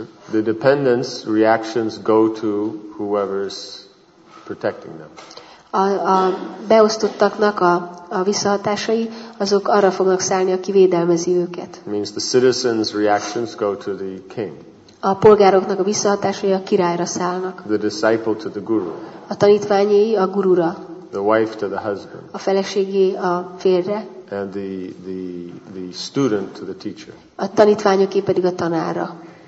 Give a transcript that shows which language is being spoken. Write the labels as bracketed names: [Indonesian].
[English] The dependence reactions go to whoever's protecting them. [Hungarian] A beosztottaknak a visszahatásai, azok arra fognak szállni, aki védelmezi őket. [English] Means the citizens' reactions go to the king. [Hungarian] A polgároknak a visszahatásai a királyra szállnak. [English] The disciple to the guru. [Hungarian] A tanítványai a gurura. [English] the wife to the husband. [Hungarian] A feleségé a férre. [English] And the student to the teacher. [Hungarian] A tanítványoké pedig a tanára.